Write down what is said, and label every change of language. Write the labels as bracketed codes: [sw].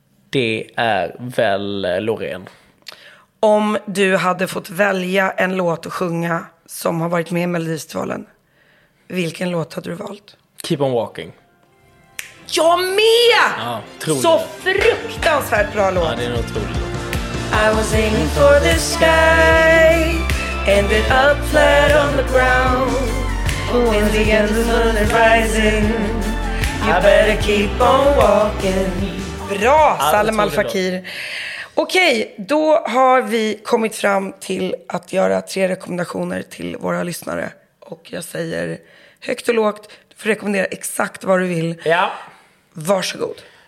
[sv] Det är väl Loreen. Om du hade fått välja en låt att sjunga som har varit med i Melodifestivalen, vilken låt hade du valt? [en] Keep on walking. [sv] Jag är med! Ja, så fruktansvärt bra låt. Ja, det är nog otroligt. [en] I was aiming for the sky, ended up flat on the ground. When the end of the moon is rising, you better keep on walking. [sv] Bra, Salem Al-Fakir. Okej, då har vi kommit fram till att göra 3 rekommendationer till våra lyssnare. Och jag säger högt och lågt, du får rekommendera exakt vad du vill. Ja. Varsågod.